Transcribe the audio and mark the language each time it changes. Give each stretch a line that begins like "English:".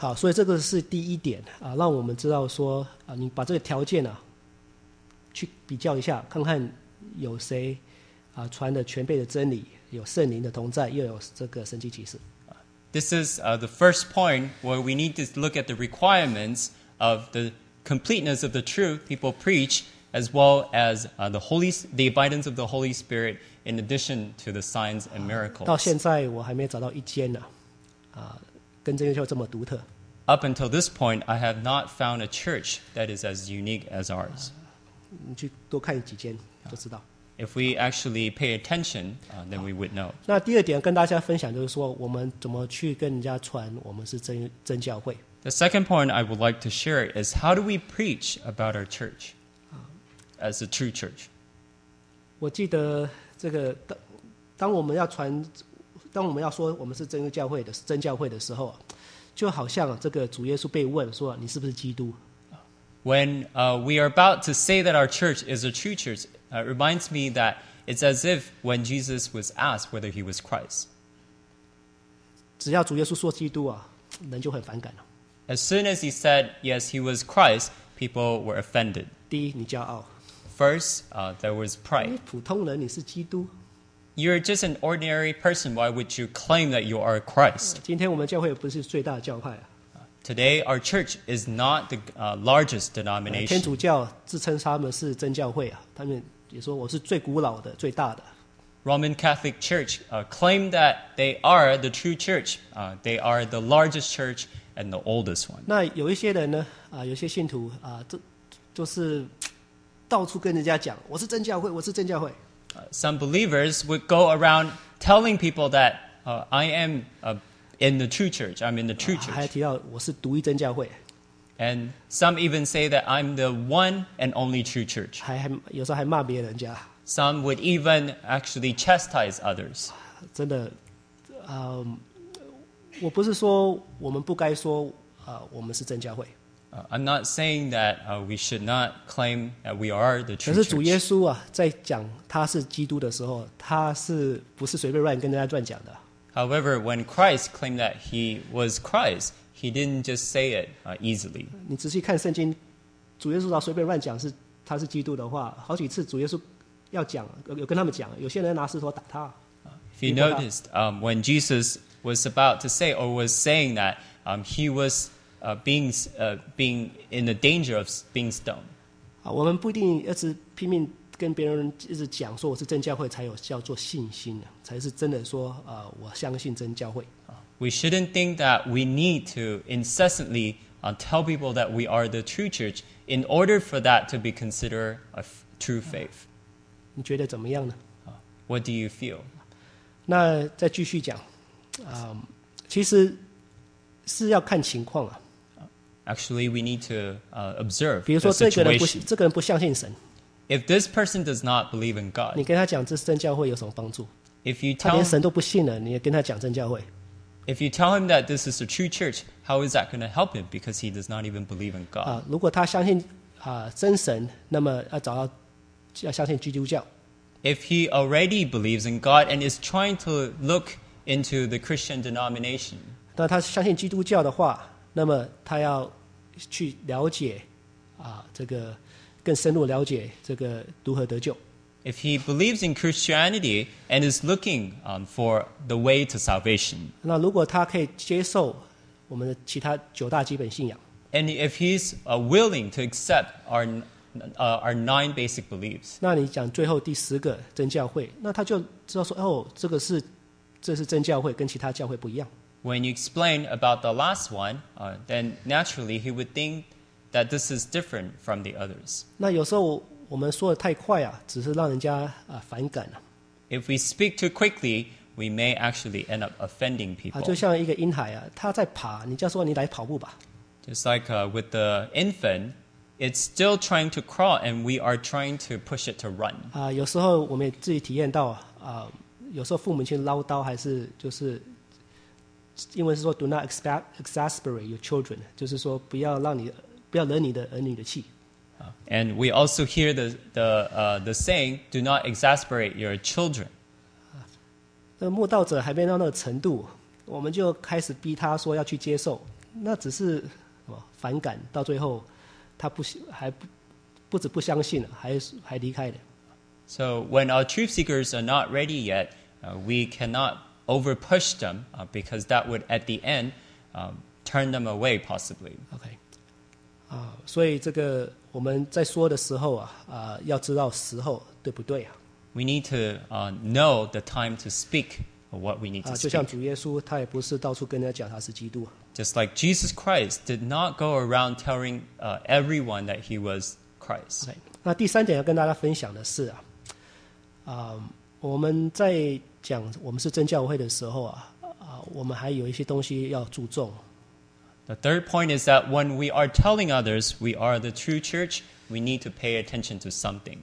Chinese: 好，所以这个是第一点，让我们知道说，你把这个条件去比较一下，看看有谁传的全备的真理，有圣灵的同在，又有这个神迹奇事。
English: this is the first point where we need to look at the requirements of the completeness of the truth people preach, as well as the abundance of the Holy Spirit in addition to the signs and miracles.
Chinese: 到现在我还没找到一间呢，跟这个教会这么独特。
English: Up until this point, I have not found a church that is as unique as ours.
Chinese: 你去多看几间就知道。
English: If we actually pay attention, then we would know.
Chinese: 那第二点跟大家分享就是说，我们怎么去跟人家传我们是真教会。
English: The second point I would like to share is how do we preach about our church as a true church?
Chinese: 我记得这个当我们要传，当我们要说我们是真教会的真教会的时候，就好像这个主耶稣被问说你是不是基督。
English: When we are about to say that our church is a true church, it reminds me that it's as if when Jesus was asked whether he was Christ.
Chinese: 只要主耶稣说基督啊，人就很反感了。
English: As soon as he said yes, he was Christ, people were offended.
Chinese: 第一，你骄傲。
English: First, there was pride.
Chinese: 普通人，你是基督。
English: You're just an ordinary person. Why would you claim that you are Christ?
Chinese: 今天我们教会不是最大的教派啊。
English: Today, our church is not the largest denomination.
Chinese: 天主教自称他们是真教会啊，他们也说我是最古老的、最大的。
English: Roman Catholic Church claim that they are the true church. They are the largest church and the oldest one.
Chinese: 那有一些人呢，有些信徒就是到处跟人家讲，我是真教会，我是真教会。
English: Some believers would go around telling people that I am in the true church. I'm in the true church.
Chinese: 还提到我是独一真教会。
English: And some even say that I'm the one and only true church.
Chinese: 还有时候还骂别人家。
English: Some would even actually chastise others.
Chinese: 真的，我不是说我们不该说我们是真教会。
English: I'm not saying that we should not claim that we are the true church.
Chinese: 可是主耶稣啊，在讲他是基督的时候，他是不是随便乱跟人家乱讲的？
English: However, when Christ claimed that he was Christ, he didn't just say it easily.
Chinese: 你仔细看圣经，主耶稣要随便乱讲是他是基督的话，好几次主耶稣要讲，有跟他们讲，有些人拿石头打他。
English: If you noticed, when Jesus was about to say or was saying that he was being in the danger of being stoned.
Chinese: 我们不一定要是拼命跟别人一直讲说我是真教会才有叫做信心，才是真的说我相信真教会。
English: We shouldn't think that we need to incessantly tell people that we are the true church in order for that to be considered a true faith.
Chinese: 你觉得怎么样呢？
English: What do you feel?
Chinese: 那再继续讲，其实是要看情况啊。
English: Actually, we need to observe the situation.
Chinese: 比如说，这个人不相信神。
English: If this person does not believe in God,
Chinese: 你跟他讲这是真教会有什么帮助？
English: If you tell him,
Chinese: 他连神都不信了，你也跟他讲真教会。
English: If you tell him that this is a true church, how is that going to help him? Because he does not even believe in God.
Chinese: 如果他相信真神，那么要相信基督教。
English: If he already believes in God and is trying to look into the Christian denomination,
Chinese: 那他相信基督教的话。那么他要去了解这个更深入了解这个如何得救。
English: If he believes in Christianity and is looking for the way to salvation.
Chinese: 那如果他可以接受我们的其他九大基本信仰。
English: And if he's willing to accept our nine basic beliefs.
Chinese: 那你讲最后第十个真教会，那他就知道说哦，这是真教会，跟其他教会不一样。
English: When you explain about the last one, then naturally he would think that this is different from the others.
Chinese: 那有时候我们说的太快啊，只是让人家反感啊。
English: If we speak too quickly, we may actually end up offending people.
Chinese: 就像一个婴孩啊，他在爬，你就说你来跑步吧。
English: Just like with the infant, it's still trying to crawl, and we are trying to push it to run.
Chinese: 有时候我们也自己体验到有时候父母亲唠叨还是就是。因为是说
English: do not exasperate your children,
Chinese: 就是说不要惹你的儿女的气。
English: And we also hear the saying, do not exasperate your children.
Chinese: 那慕道者还没到那个程度，我们就开始逼他说要去接受，那只是反感，到最后他不止不相信了，还离开了。
English: So when our truth seekers are not ready yet, we cannot overpush them, because that would, at the end, turn them away, possibly. Okay.
Chinese: 所以这个我们在说的时候啊，要知道时候对不对啊。
English: We need to know the time to speak or what we need to speak.
Chinese: 就像主耶稣，他也不是到处跟人家讲他是基督。
English: Just like Jesus Christ did not go around telling everyone that he was Christ. Okay.
Chinese: 那第三点要跟大家分享的是啊，我们在讲我们是真教会的时候啊，我们还有一些东西要注重。
English: The third point is that when we are telling others we are the true church, we need to pay attention to something.